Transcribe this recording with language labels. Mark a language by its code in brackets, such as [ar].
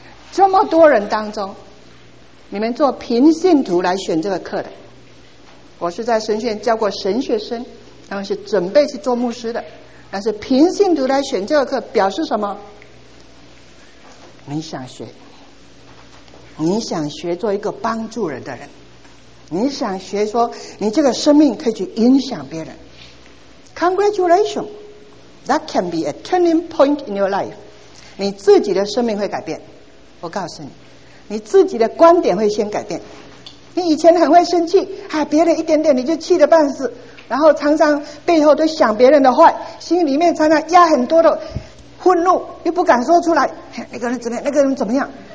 [zh] 这么多人当中，你们做平信徒来选这个课的，我是在神学院教过神学生，然后是准备去做牧师的，但是平信徒来选这个课，表示什么？你想学，你想学做一个帮助人的人。你想学说你这个生命可以去影响别人， [en] Congratulations, That can be a turning point in your life. [zh] 你自己的生命会改变，我告诉你，你自己的观点会先改变。你以前很会生气，啊，别人一点点你就气得半死，然后常常背后都想别人的坏，心里面常常压很多的愤怒又不敢说出来，那个人怎么样，那个人怎么样。